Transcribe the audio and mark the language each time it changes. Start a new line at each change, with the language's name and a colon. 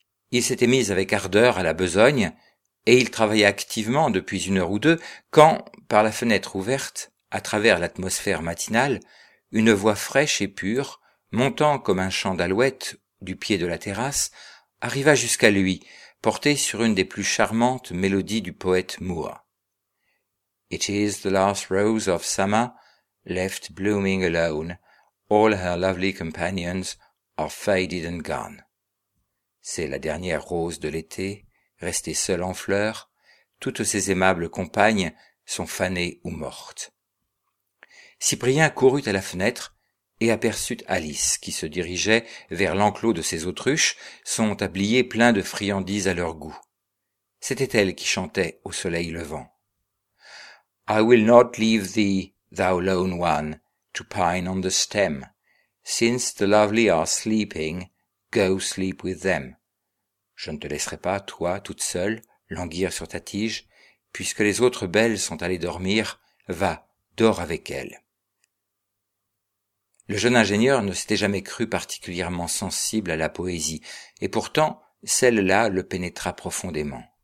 French: Il s'était mis avec ardeur à la besogne, et il travaillait activement depuis une heure ou deux, quand, par la fenêtre ouverte, à travers l'atmosphère matinale, une voix fraîche et pure, montant comme un chant d'alouette du pied de la terrasse, arriva jusqu'à lui, portée sur une des plus charmantes mélodies du poète Moore.
English: It is the last rose of summer, left blooming alone. All her lovely companions are faded and gone.
French: C'est la dernière rose de l'été, restée seule en fleurs. Toutes ses aimables compagnes sont fanées ou mortes. Cyprien courut à la fenêtre et aperçut Alice qui se dirigeait vers l'enclos de ses autruches, son tablier plein de friandises à leur goût. C'était elle qui chantait au soleil levant.
English: I will not leave thee, thou lone one, to pine on the stem. Since the lovely are sleeping, go sleep with them.
French: Je ne te laisserai pas, toi, toute seule, languir sur ta tige. Puisque les autres belles sont allées dormir, va, dors avec elles. Le jeune ingénieur ne s'était jamais cru particulièrement sensible à la poésie, et pourtant, celle-là le pénétra profondément.